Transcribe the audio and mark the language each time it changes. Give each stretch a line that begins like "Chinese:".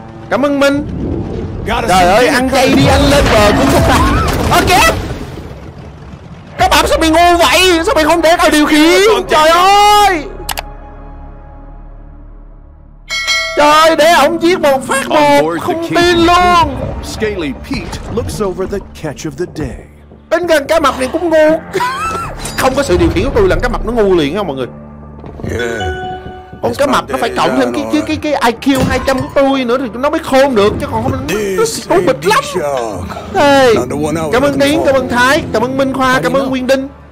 Vietnamese: Cảm ơn Minh. Trời ơi, ăn chay đi anh, lên bờ cũng không ta. Ơ kìa. Các bạn sao mày ngu vậy? Sao mày không để tao điều khiển? Trời ơi. Trời, để ổng giết một phát một, không tin luôn.
English: Scaly Pete looks over the catch of the day.
Vietnamese: Bên gần cá mập này cũng ngu. Không có sự điều khiển của tôi làm cá mập nó ngu liền không mọi người. Con cá mập nó phải cộng thêm cái IQ 200 của tôi nữa thì nó mới khôn được, chứ còn không nó tốn bịch lắm. Hey, cảm ơn Tiến, cảm ơn Thái, cảm ơn Minh Khoa, cảm ơn Nguyên Đinh.